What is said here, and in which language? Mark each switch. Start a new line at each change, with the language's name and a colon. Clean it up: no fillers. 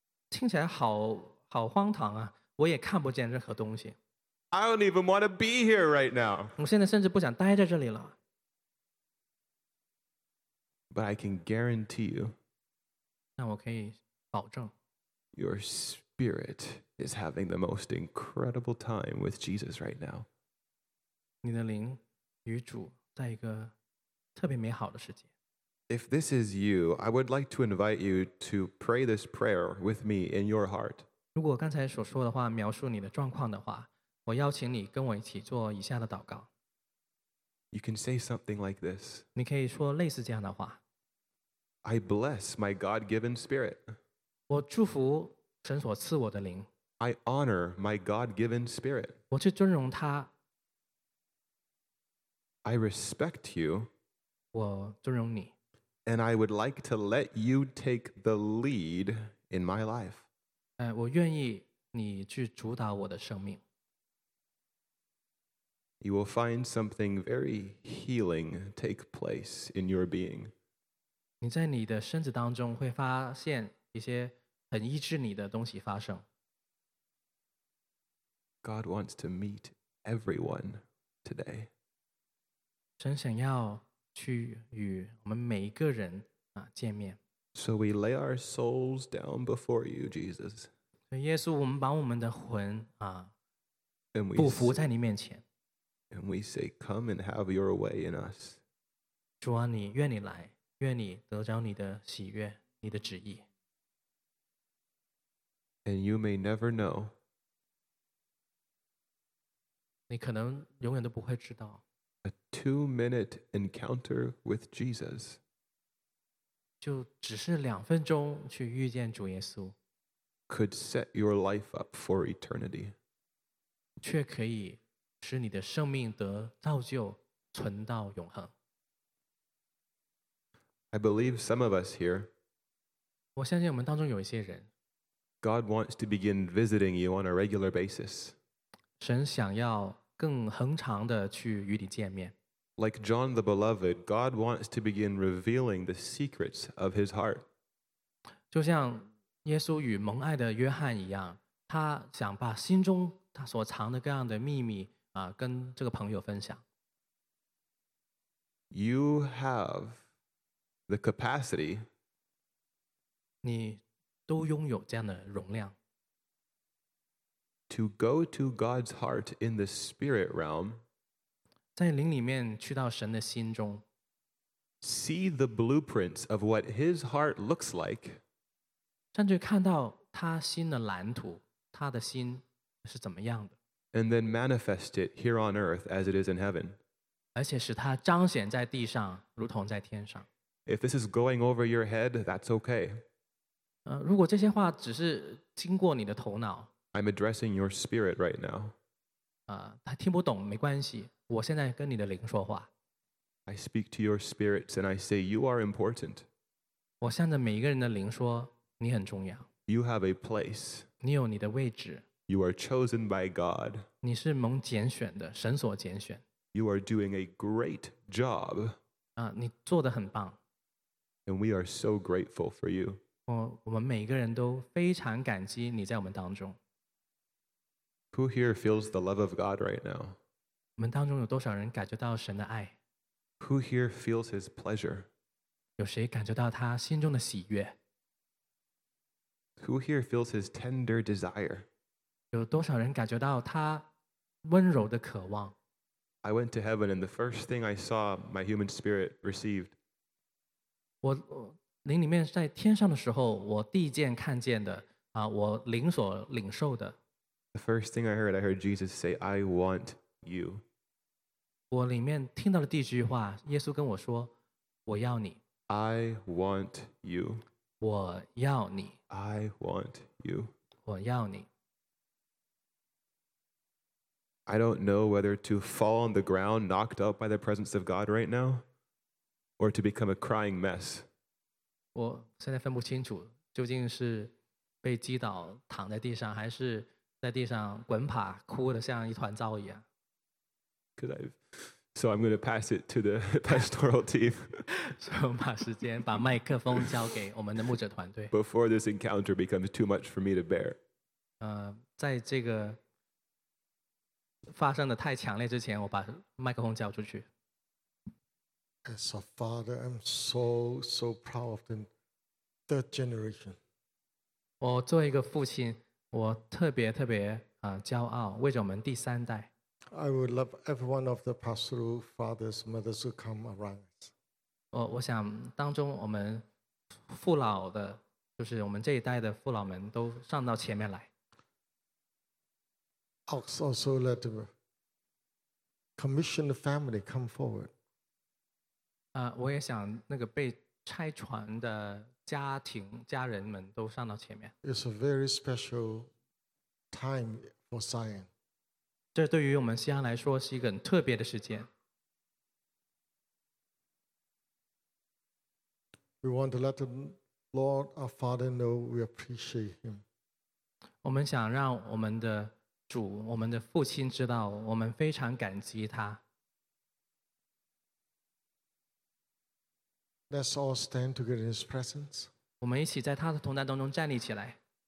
Chinese: 听起来好荒唐啊，我也看不见任何东西。
English: I don't even want to be here right now.
Chinese: 我现在甚至不想待在这里了。
English: But I can guarantee you.
Chinese: 但我可以保证。
English: Your spirit is having the most incredible time with Jesus right now.
Chinese: 你的灵与主在一个特别美好的世界。
English: If this is you, I would like to invite you to pray this prayer with me in your heart.
Chinese: 如果刚才所说的话描述你的状况的话，我邀请你跟我一起做以下的祷告。
English: You can say something like this.
Chinese: 你可以说类似这样的话。
English: I bless my God-given spirit.
Chinese: 我祝福神所赐我的灵。
English: I honor my God-given spirit.
Chinese: 我去尊荣他。
English: I respect you.
Chinese: 我尊荣你。
English: And I would like to let you take the lead in my life.
Chinese: 我愿意你去主导我的生命。
English: You will find something very healing take place in your being.
Chinese: 你在你的身子当中会发现一些很医治你的东西发生。
English: God wants to meet everyone today.
Chinese: 神想要去与我们每一个人见面。
English: So we lay our souls down before you, Jesus.
Chinese: 耶稣，我们把我们的魂俯伏在你面前。
English: And we say, come and have your way in us.
Chinese: 主啊，你愿你来，愿你得着你的喜悦，你的旨意。
English: And you may never know.
Chinese: 你可能永远都不会知道。
English: A two-minute encounter with Jesus.
Chinese: 就只是两分钟去遇见主耶稣。
English: Could set your life up for eternity.
Chinese: 却可以使你的生命得造就，存到永恒。
English: I believe some of us here,
Chinese: 我相信我们当中有一些人,
English: God wants to begin visiting you on a regular basis.
Chinese: 神想要更恒常地去与你见面。
English: Like John the Beloved, God wants to begin revealing the secrets of his heart.
Chinese: 就像耶稣与蒙爱的约翰一样，他想把心中他所藏的各样的秘密啊，跟这个朋友分享。
English: You have the capacity.
Chinese: 你都拥有这样的容量。
English: To go to God's heart in the spirit realm.
Chinese: 在灵里面去到神的心中。
English: See the blueprints of what His heart looks like.
Chinese: 甚至看到他心的蓝图，他的心是怎么样的。
English: And then manifest it here on earth as it is in heaven.
Chinese: 而且使它彰显在地上，如同在天上。
English: If this is going over your head, that's okay.
Chinese: 如果这些话只是经过你的头脑，
English: I'm addressing your spirit right now.
Chinese: 他听不懂没关系，我现在跟你的灵说话。
English: I speak to your spirits and I say you are important.
Chinese: 我向着每一个人的灵说，你很重要。
English: You have a place.
Chinese: 你有你的位置。
English: You are chosen by God.
Chinese: 你是蒙拣选的，神所拣选。
English: You are doing a great job.
Chinese: 你做得很棒。
English: And we are so grateful for you.
Chinese: 我们每个人都非常感激你在我们当中。
English: Who here feels the love of God right now?
Chinese: 我们当中有多少人感觉到神的爱？
English: Who here feels His pleasure?
Chinese: 有谁感觉到他心中的喜悦？
English: Who here feels His tender desire?
Chinese: 有多少人感觉到他温柔的渴望？
English: I went to heaven and the first thing I saw my human spirit received.
Chinese: 我灵里面在天上的时候，我第一件看见的啊，我灵所领受的。
English: The first thing I heard Jesus say, "I want you."
Chinese: 我里面听到的第一句话，耶稣跟我说，我要你。
English: I want you.
Chinese: 我要你。
English: I want you.
Chinese: 我要你。
English: I don't know whether to fall on the ground, knocked out by the presence of God right now. Or to become a crying mess.
Chinese: 我现在分不清楚，究竟是被击倒躺在地上，还是在地上滚爬，哭得像一团糟一样。
English: Because I'm going to pass it to the pastoral team.
Chinese: 所以我把时间把麦克风交给我们的牧者团队。
English: Before this encounter becomes too much for me to bear.
Chinese: 在这个发生的太强烈之前，我把麦克风交出去。
English: As a father, I'm so, so proud of the third generation.
Chinese: 我作为一个父亲，我特别特别骄傲，为着我们第三代。
English: I would love every one of the pastoral fathers, mothers to come around.
Chinese: 我想当中我们父老的，就是我们这一代的父老们都上到前面来。
English: Also let the commissioned family come forward.
Chinese: 我也想那个被拆船的家庭家人们都上到前面。
English: It's a very special time for Zion.
Chinese: 这对于我们西安来说是一个很特别的时间。
English: We want to let the Lord our Father know we appreciate Him.
Chinese: 我们想让我们的主，我们的父亲知道我们非常感激他。
English: Let's all stand together in His presence.
Chinese: 我们一起在他的同在当中站立起来。